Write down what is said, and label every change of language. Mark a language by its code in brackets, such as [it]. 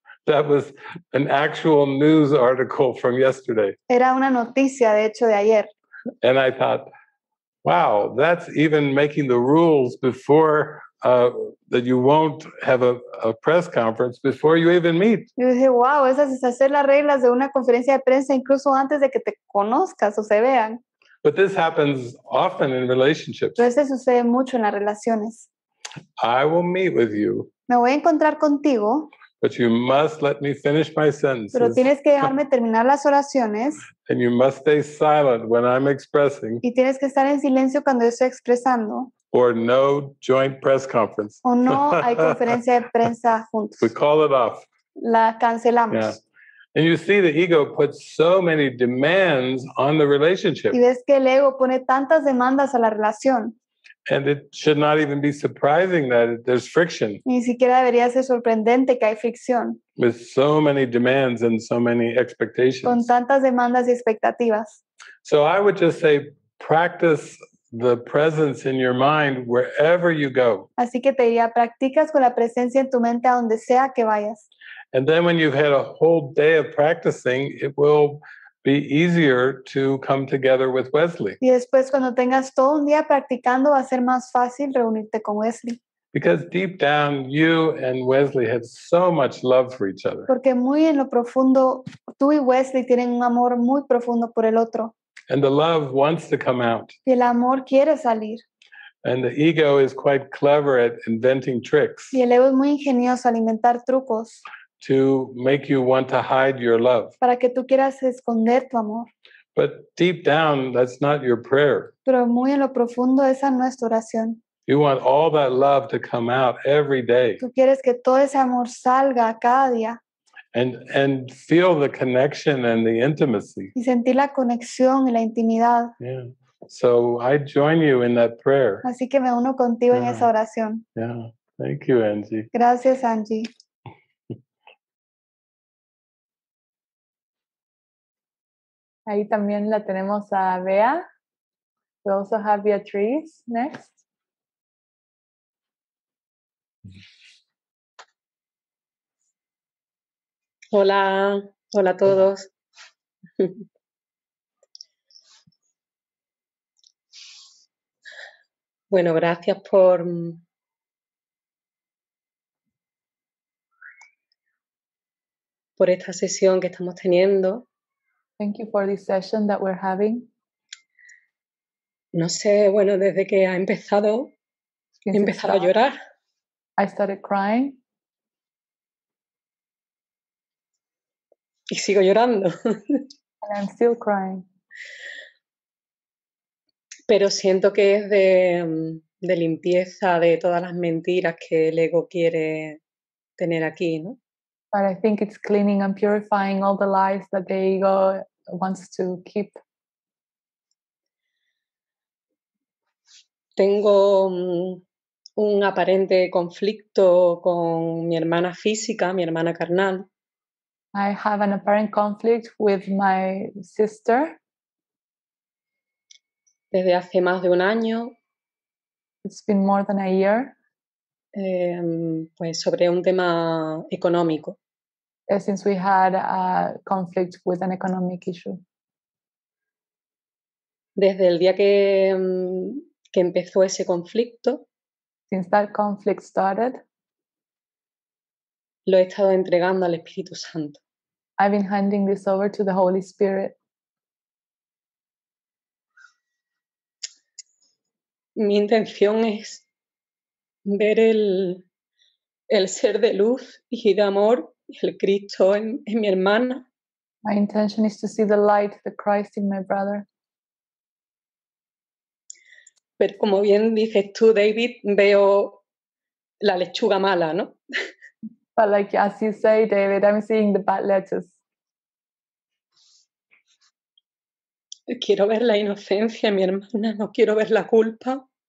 [en] That was an actual news article from yesterday. [es] Era una noticia, de hecho, de ayer. [en] And I thought, wow, that's even making the rules before that you won't have a press conference before you even meet. [es] Yo dije, wow, esas es hacer las reglas de una conferencia de prensa incluso antes de que te conozcas o se vean. [en] But this happens often in relationships. [es] Pero eso sucede mucho en las relaciones. [en] I will meet with you. [es] Me voy a encontrar contigo. [en] But you must let me finish my sentences. [es] Pero tienes que dejarme terminar las oraciones. [en] And you must stay silent when I'm expressing. [es] Y tienes que estar en silencio cuando yo estoy expresando. [en] Or no joint press conference. [es] O no hay conferencia de prensa juntos. [en] We call it off. [es] La cancelamos. [en] Yeah. And you see the ego puts so many demands on the relationship. [es] Y ves que el ego pone tantas demandas a la relación. [en] And it should not even be surprising that there's friction. [es] Ni siquiera debería ser sorprendente que hay fricción. [en] With so many demands and so many expectations. [es] Con tantas demandas y expectativas. [en] So I would just say practice the presence in your mind wherever you go. [es] Así que te diría, practicas con la presencia en tu mente a donde sea que vayas. [en] And then when you've had a whole day of practicing, it will be easier to come together with Wesley. [es] Y después cuando tengas todo un día practicando, va a ser más fácil reunirte con Wesley. [en] Because deep down, you and Wesley have so much love for each other. [es] Porque muy en lo profundo, tú y Wesley tienen un amor muy profundo por el otro. [en] And the love wants to come out. [es] Y el amor quiere salir. [en] And the ego is quite clever at inventing tricks. [es] Y el ego es muy ingenioso al inventar trucos. [en] To make you want to hide your love. [es] Para que tú quieras esconder tu amor. [en] But deep down, that's not your prayer. [es] Pero muy en lo profundo, esa no es tu oración. [en] You want all that love to come out every day. [es] Tú quieres que todo ese amor salga cada día. [en] And feel the connection and the intimacy. [es] Y sentir la conexión y la intimidad. [en] Yeah. So I join you in that prayer. [es] Así que me uno contigo en esa oración. [en] Yeah. Thank you, Angie. [es] Gracias, Angie. Ahí también la tenemos a Bea. [en] We also have Beatriz next. [es] Hola, hola a todos. Bueno, gracias por... por esta sesión que estamos teniendo. [en] Thank you for this session that we're having. [es] No sé, bueno, desde que ha empezado, he empezado a llorar. [en] I started crying. [es] Y sigo llorando. [en] And I'm still crying. [es] Pero siento que es de limpieza de todas las mentiras que el ego quiere tener aquí, ¿no? [en] But I think it's cleaning and purifying all the lies that the ego wants to keep. [es] Tengo un aparente conflicto con mi hermana física, mi hermana carnal. [en] I have an apparent conflict with my sister. [es] Desde hace más de un año. [en] It's been more than a year. [es] Pues sobre un tema económico. [en] Since we had a conflict with an economic issue. [es] Desde el día que empezó ese conflicto. [en] Since that conflict started. [es] Lo he estado entregando al Espíritu Santo. [en] I've been handing this over to the Holy Spirit. [es] Mi intención es ver el ser de luz y de amor, el Cristo en mi hermana. [en] My intention is to see the light, the Christ in my brother. [es] Pero como bien dices tú, David, veo la lechuga mala, ¿no? [en] But like as you say, David, I'm seeing the bad lettuce. [es] Quiero ver la inocencia en mi hermana, no quiero ver la culpa.